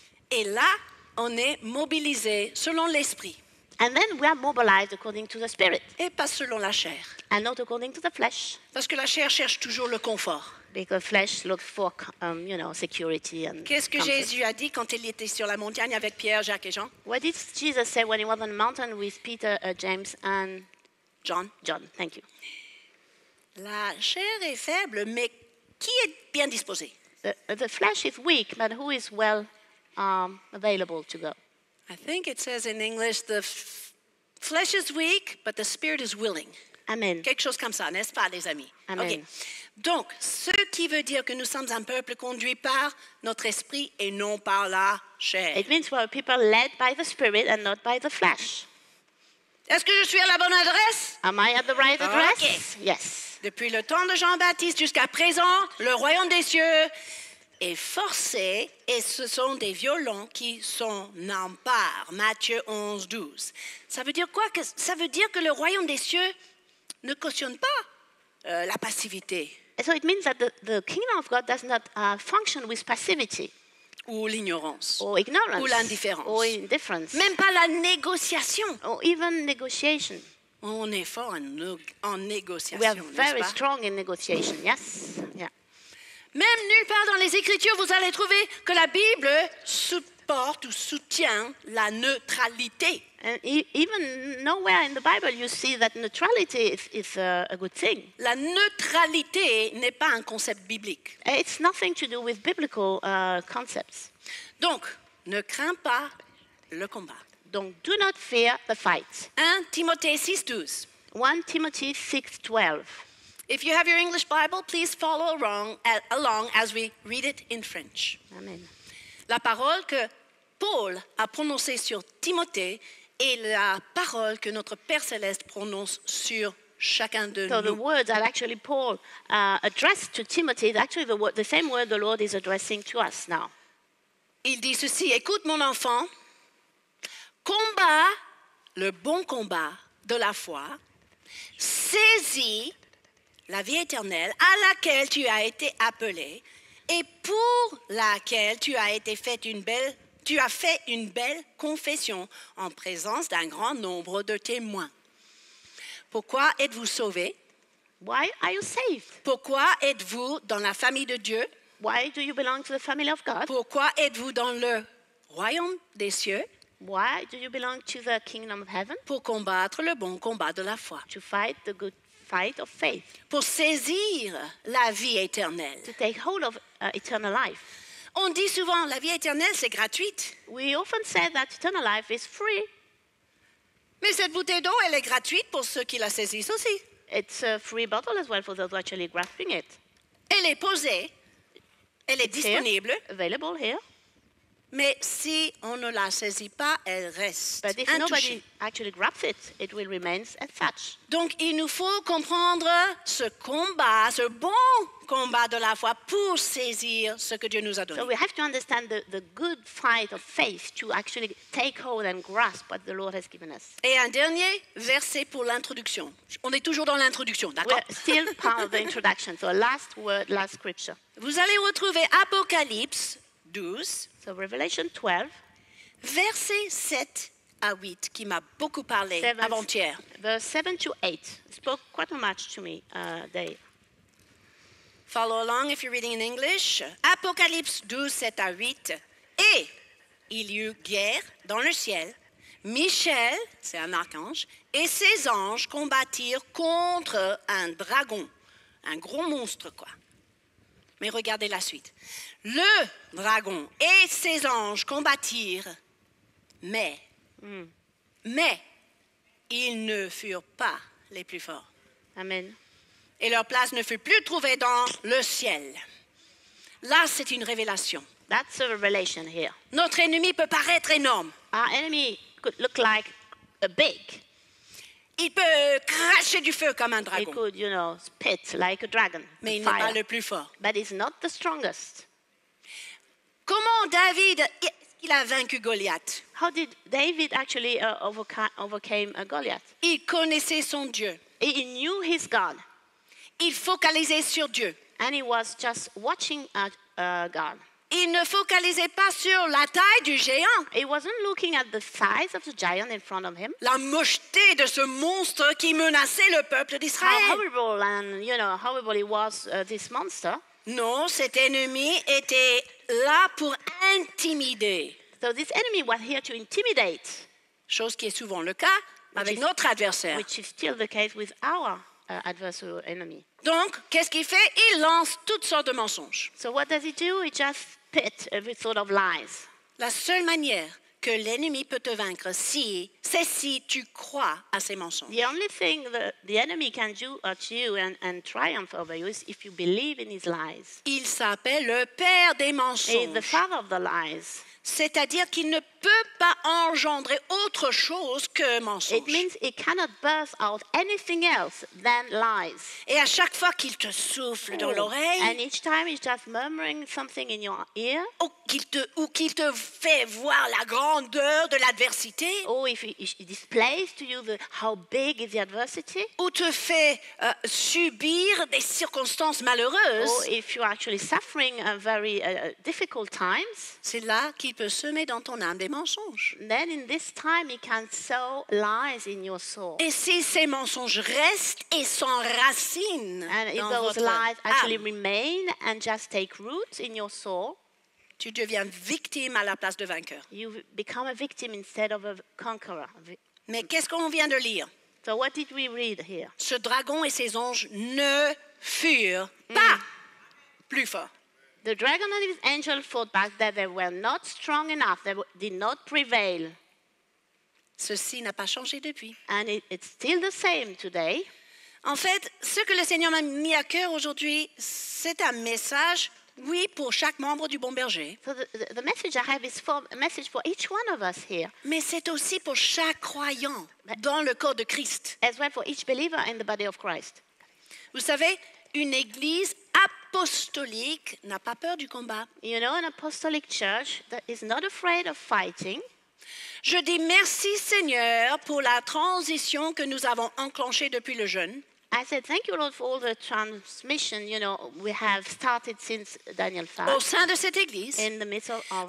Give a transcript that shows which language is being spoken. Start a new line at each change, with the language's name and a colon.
French: Et là, on est mobilisé selon l'esprit.
English: And then we are mobilized according to the spirit.
French: Et pas selon la chair.
English: And not according to the flesh.
French: Parce que la chair cherche toujours le confort.
English: Because flesh looks for, security and.
French: Qu'est-ce que
English: comfort.
French: Jésus a dit quand il était sur la montagne avec Pierre, Jacques et Jean?
English: What did Jesus say when he was on the mountain with Peter, James and John? John, thank you.
French: La chair est faible, mais qui est bien disposé?
English: The flesh is weak, but who is well available to go? I think it says in English, the flesh is weak, but the spirit is willing. Amen.
French: Quelque chose comme ça, n'est-ce pas, les amis?
English: Amen. Okay.
French: Donc, ce qui veut dire que nous sommes un peuple conduit par notre esprit et non par la chair.
English: It means we are people led by the spirit and not by the flesh.
French: Est-ce que je suis à la bonne adresse?
English: Am I at the right address? Okay. Yes.
French: Depuis le temps de Jean-Baptiste jusqu'à présent, le royaume des cieux est forcé et ce sont des violents qui s'en emparent. Matthieu 11, 12. Ça veut dire quoi? Ça veut dire que le royaume des cieux ne cautionne pas la passivité.
English: So it means that the kingdom of God does not function with passivity.
French: Ou l'ignorance.
English: Or ignorance.
French: Ou l'indifférence.
English: Or indifference.
French: Même pas la négociation.
English: Or even negotiation.
French: On est fort en négociation.
English: We are very strong in negotiation. Yes. Yeah.
French: Même nulle part dans les Écritures, vous allez trouver que la Bible supporte ou soutient la neutralité.
English: And even nowhere in the Bible you see that neutrality is a good thing.
French: La neutralité n'est pas un concept biblique.
English: It's nothing to do with biblical concepts.
French: Donc, ne crains pas le combat.
English: Donc, do not fear the fight.
French: 1 Timothée 6:12.
English: 1 Timothy 6:12. If you have your English Bible, please follow along as we read it in French. Amen.
French: La parole que Paul a prononcée sur Timothée est la parole que notre Père céleste prononce sur chacun de nous.
English: So the words that actually Paul addressed to Timothy is actually the same word the Lord is addressing to us now.
French: Il dit ceci: écoute mon enfant, combat le bon combat de la foi, saisis la vie éternelle à laquelle tu as été appelé et pour laquelle tu as été fait une belle, tu as fait une belle confession en présence d'un grand nombre de témoins. Pourquoi êtes-vous sauvés?
English: Why are you saved?
French: Pourquoi êtes-vous dans la famille de Dieu?
English: Why do you belong to the family of God?
French: Pourquoi êtes-vous dans le royaume des cieux?
English: Why do you belong to the kingdom of heaven?
French: Pour combattre le bon combat de la foi.
English: To fight the good fight of faith.
French: Pour saisir la vie éternelle.
English: To take hold of eternal life.
French: On dit souvent la vie éternelle c'est gratuite.
English: We often say that eternal life is free.
French: Mais cette bouteille d'eau elle est gratuite pour ceux qui la saisissent aussi.
English: It's a free bottle as well for those who are actually grasping it.
French: Elle est posée. Elle est disponible.
English: Here, available here.
French: Mais si on ne la saisit pas, elle reste intouchée.
English: But if nobody actually grabs it, it will remain untouched.
French: Donc il nous faut comprendre ce combat, ce bon combat de la foi pour saisir ce que Dieu nous a donné.
English: So we have to understand the good fight of faith to actually take hold and grasp what the Lord has given us.
French: Et un dernier verset pour l'introduction. On est toujours dans l'introduction, d'accord?
English: We're still part of the introduction. So last word, last scripture.
French: Vous allez retrouver Apocalypse 12.
English: So Revelation 12,
French: versets 7 à 8, qui m'a beaucoup parlé avant-hier.
English: Verse 7 to 8 spoke quite much to me today. Follow along if you're reading in English.
French: Apocalypse 12, 7 à 8. Et il y eut guerre dans le ciel. Michel, c'est un archange, et ses anges combattirent contre un dragon, un gros monstre quoi. Mais regardez la suite. Le dragon et ses anges combattirent, mais ils ne furent pas les plus forts. Amen. Et leur place ne fut plus trouvée dans le ciel. Là, c'est une révélation.
English: That's a revelation here.
French: Notre ennemi peut paraître énorme.
English: Our enemy could look like a big.
French: Il peut cracher du feu comme un dragon.
English: He could, you know, spit like a dragon.
French: Mais il n'est pas le plus fort.
English: But he's not the strongest.
French: Comment David il a vaincu Goliath?
English: How did David actually overcame Goliath?
French: Il connaissait son Dieu.
English: He knew his God.
French: Il focalisait sur Dieu.
English: And he was just watching at God.
French: Il ne focalisait pas sur la taille du géant.
English: He wasn't looking at the size of the giant in front of him.
French: La mocheté de ce monstre qui menaçait le peuple d'Israël.
English: How horrible and you know how horrible it was this monster.
French: Non, cet ennemi était là pour intimider.
English: So this enemy was here to intimidate.
French: Chose qui est souvent le cas avec notre adversaire.
English: Which is still the case with our adversary enemy.
French: Donc, qu'est-ce qu'il fait? Il lance toutes sortes de mensonges.
English: So what does he do? He just spits every sort of lies.
French: La seule manière que l'ennemi peut te vaincre, c'est si tu crois à ses mensonges.
English: The only thing that the enemy can do at you and triumph over you is if you believe in his lies.
French: Il s'appelle le père des mensonges.
English: He is the father of the lies.
French: C'est-à-dire qu'il ne peut pas engendrer autre chose que mensonge.
English: It means it cannot birth out anything else than lies.
French: Et à chaque fois qu'il te souffle dans l'oreille,
English: and each time he's just murmuring something in your ear,
French: ou qu'il te fait voir la grandeur de l'adversité,
English: or if he displays to you how big is the adversity,
French: ou te fait subir des circonstances malheureuses,
English: or if you're actually suffering a very difficult times,
French: c'est là qu'il peut semer dans ton âme des mensonges.
English: Then in this time he can sow lies in your soul.
French: Et si ces mensonges restent et s'enracinent dans votre âme,
English: and if those lies actually remain and just take root in your soul,
French: tu deviens victime à la place de vainqueur.
English: You become a victim instead of a conqueror.
French: Mais qu'est-ce qu'on vient de lire?
English: So what did we read here?
French: Ce dragon et ses anges ne furent pas plus forts.
English: The dragon and his angel fought back that they were not strong enough. They did not prevail.
French: Ceci n'a pas changé depuis.
English: And it's still the same today.
French: En fait, ce que le Seigneur m'a mis à cœur aujourd'hui, c'est un message, oui, pour chaque membre du Bon Berger.
English: So the message I have is for a message for each one of us here.
French: Mais c'est aussi pour chaque croyant dans le corps de Christ.
English: As well for each believer in the body of Christ.
French: Vous savez, une église apostolique n'a pas peur du combat.
English: You know, an apostolic church that is not afraid of fighting.
French: Je dis merci Seigneur pour la transition que nous avons enclenchée depuis le jeûne.
English: I said thank you Lord for all the transmission, you know, we have started since Daniel 5.
French: Au sein de cette église.
English: In the middle of our church.